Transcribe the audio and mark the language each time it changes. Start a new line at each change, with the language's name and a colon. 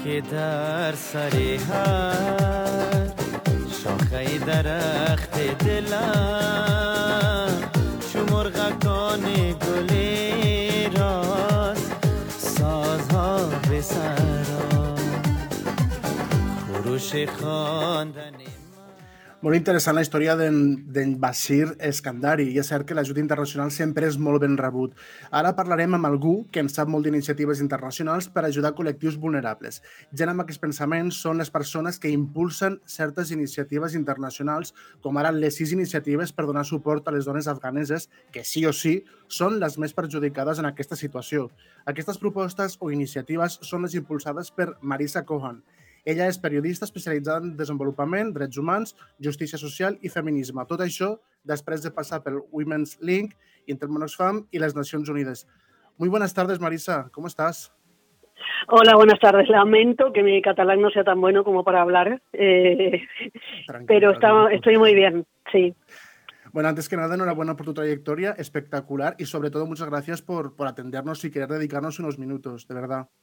Persian: در سری هر شاخه درخت دلم چو مرغکان گلی راست سازها به سرا خروش خواندن.
Catalan: Molt interessant la història d'en Bashir Eskandari. I és cert que l'ajuda internacional sempre és molt ben rebut. Ara parlarem amb algú que en sap molt d'iniciatives internacionals per ajudar col·lectius vulnerables. Ja amb aquests pensaments són les persones que impulsen certes iniciatives internacionals, com ara les 6 iniciatives per donar suport a les dones afganeses, que sí o sí són les més perjudicades en aquesta situació. Aquestes propostes o iniciatives són les impulsades per Marisa Cohen. Ella és periodista especialitzada en desenvolupament, drets humans, justícia social i feminisme. Tot això després de passar pel Women's Link, Intermon Oxfam i les Nacions Unides.
Spanish: Muy buenas tardes, Marisa. ¿Cómo estás? Hola, buenas tardes. Lamento que mi catalán no sea tan bueno como para hablar. Pero estoy muy bien, sí. Bueno, antes que nada, enhorabuena por tu trayectoria espectacular y sobre todo muchas gracias por atendernos y querer dedicarnos unos minutos, de verdad.